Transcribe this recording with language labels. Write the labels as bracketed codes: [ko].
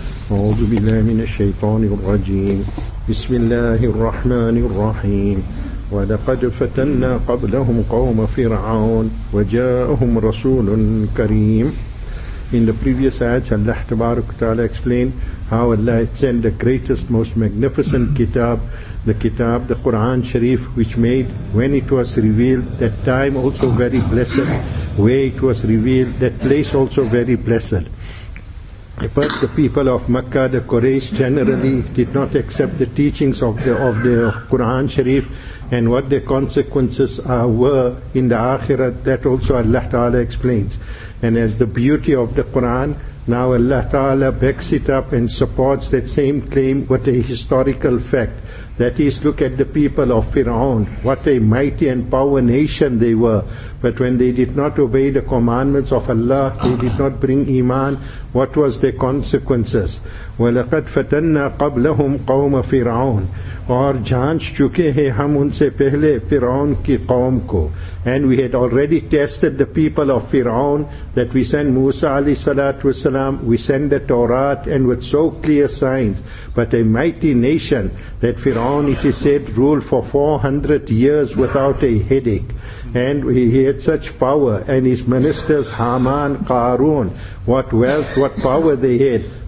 [ar] أعوذ بالله من الشيطان الرجيم. بسم الله الرحمن الرحيم. ولقد فتنا قبلهم قوم فرعون وجاءهم رسول كريم. [en] In the previous ayats, Allah Tabarak wa Ta'ala explained how Allah had sent the greatest, most magnificent kitab, the kitab, the Quran Sharif, which made, when it was revealed, that time also very blessed. Where it was revealed, that place also very blessed. First, the people of Makkah, the Quraysh, generally did not accept the teachings of the Quran Sharif, and what the consequences were in the Akhirat, that also Allah Ta'ala explains. And as the beauty of the Quran, now Allah Ta'ala backs it up and supports that same claim with a historical fact. That is, look at the people of Fir'aun. What a mighty and power nation they were. But when they did not obey the commandments of Allah, they did not bring iman, what was their consequences? [ar] وَلَقَدْ فَتَنَّا قَبْلَهُمْ قَوْمَ فِرْعَوْنَ [ur] اور جانچ چکے ہیں ہم ان سے پہلے فرعون کی قوم کو. [en] And we had already tested the people of Fir'aun, that we send Musa alayhi salatu wasalam, we send the Torah, and with so clear signs. But a mighty nation, that Fir'aun, it is said, ruled for 400 years without a headache. And he had such power, and his ministers, Haman, Qarun, what wealth, what power they had.